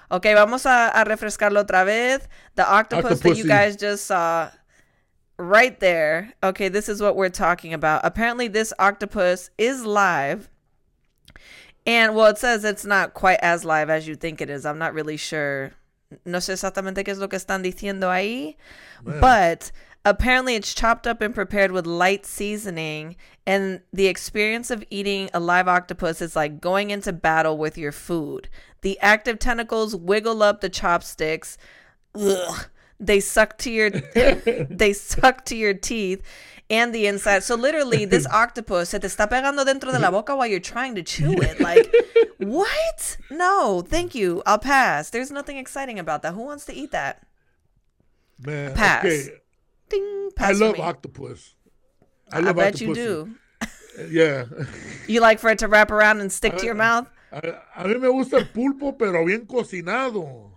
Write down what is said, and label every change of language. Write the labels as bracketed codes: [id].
[en] Okay, [es] vamos a refrescarlo otra vez. [en] The octopus that you guys just saw right there. Okay, this is what we're talking about. Apparently this octopus is live. And, well, it says it's not quite as live as you think it is. I'm not really sure. [es] No sé exactamente qué es lo que están diciendo ahí. [en] Man. But apparently it's chopped up and prepared with light seasoning. And the experience of eating a live octopus is like going into battle with your food. The active tentacles wiggle up the chopsticks. Ugh. They suck to your teeth and the inside. So literally, this octopus, [es] se te está pegando dentro de la boca [en] while you're trying to chew it. Like, what? No, thank you. I'll pass. There's nothing exciting about that. Who wants to eat that? Man, pass. Okay. Ding, pass. I love octopus. I bet you do. Yeah. You like for it to wrap around and stick to your mouth? [es] A mí me gusta el pulpo, pero bien cocinado.